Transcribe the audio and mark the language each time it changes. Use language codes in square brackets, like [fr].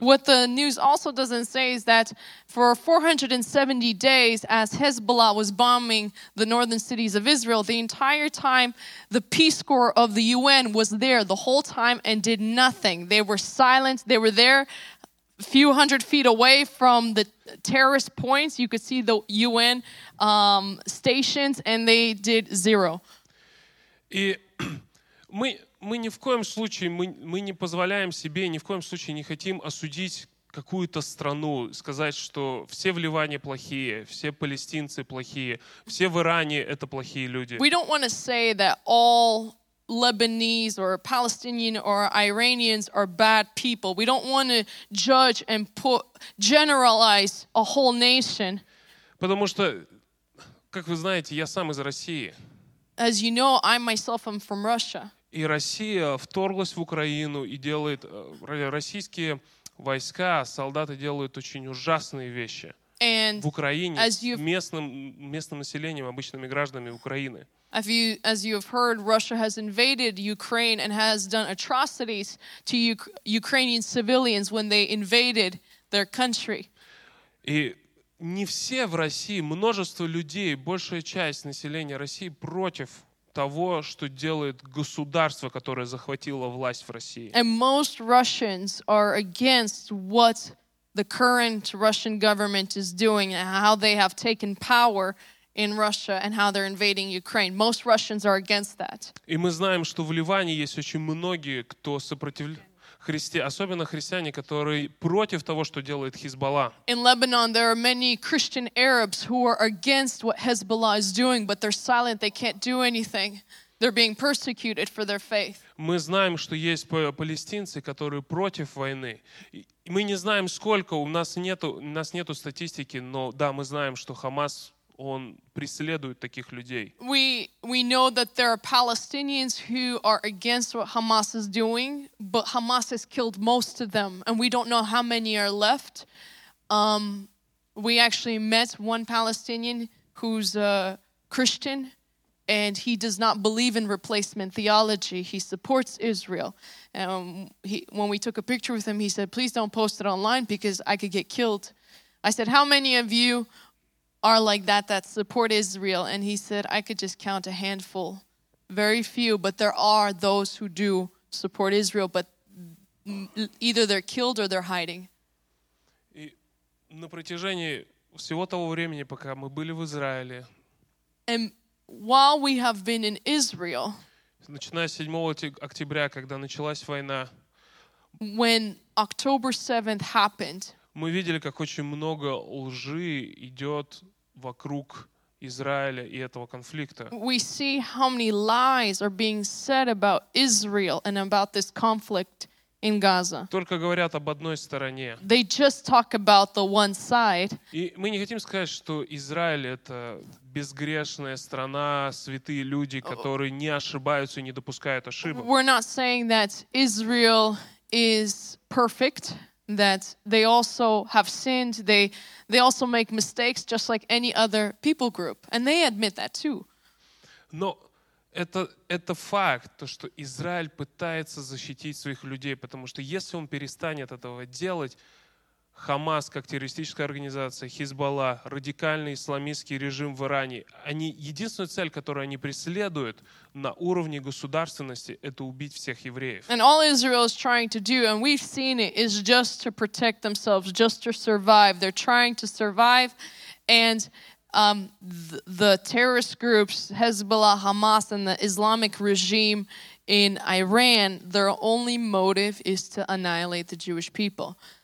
[en] What the news also doesn't say is that for 470 days, as Hezbollah was bombing the northern cities of Israel, the entire time the Peace Corps of the UN was there the whole time and did nothing. They were silent, they were there. A few hundred feet away from the terrorist points, you could see the UN stations, and they did zero. [ru] И мы ни в коем случае мы не позволяем себе, ни в коем случае не хотим осудить какую-то страну, сказать, что все в Ливане плохие, все палестинцы плохие, все в Иране это плохие люди. [en] We don't want to say that all Lebanese or Palestinian or Iranians are bad people. We don't want to judge and generalize a whole nation. [ru] Потому что, как вы знаете, я сам из России. [en] As you know, I myself am from Russia. [ru] И Россия вторглась в Украину и делает российские войска, солдаты делают очень ужасные вещи в Украине с местным населением, обычными гражданами Украины. [en] As you have heard, Russia has invaded Ukraine and has done atrocities to Ukrainian civilians when they invaded their country. [ru] И не все в России, множество людей, большая часть населения России против того, что делает государство, которое захватило власть в России. [en] And most Russians are against what the current Russian government is doing and how they have taken power in Russia and how they're invading Ukraine. Most Russians are against that. [ru] И мы знаем, что в Ливане есть очень многие, кто особенно христиане, которые против того, что делает Хизбалла. [en] In Lebanon there are many Christian Arabs who are against what Hezbollah is doing, but they're silent, they can't do anything. They're being persecuted for their faith. [ru] Мы знаем, что есть палестинцы, которые против войны. Мы не знаем, сколько, у нас нету статистики, но да, мы знаем, что Хамас он преследует таких людей. [en] We know that there are Palestinians who are against what Hamas is doing, but Hamas has killed most of them, and we don't know how many are left. We actually met one Palestinian who's a Christian, and he does not believe in replacement theology. He supports Israel. When we took a picture with him, he said, "Please don't post it online because I could get killed." I said, "How many of you are like that support Israel?" And he said, "I could just count a handful, very few, but there are those who do support Israel, but either they're killed or they're hiding." [ru] И на протяжении всего того времени, пока мы были в Израиле, [en] and while we have been in Israel, [ru] начиная с 7 октября, когда началась война, [en] when October 7th happened, [ru] мы видели, как очень много лжи идет вокруг Израиля и этого конфликта. [en] We see how many lies are being said about Israel and about this conflict in Gaza. [ru] Только говорят об одной стороне. [en] They just talk about the one side. [ru] И мы не хотим сказать, что Израиль это безгрешная страна, святые люди, которые не ошибаются и не допускают ошибок. [en] We're not saying that Israel is perfect, that they also have sinned, they also make mistakes just like any other people group, and they admit that too. [ru] Но это факт, то что Израиль пытается защитить своих людей, потому что если он перестанет этого делать, Хамас как террористическая организация, Хизбалла, радикальный исламистский режим в Иране, они единственная цель, которую они преследуют на уровне государственности, это убить всех евреев. [en] And all Israel is trying to do, and we've seen it, is just to protect themselves, just to survive. They're trying to survive, and the terrorist groups, Hezbollah, Hamas, and the Islamic regime in Iran, their only motive is to annihilate the Jewish people.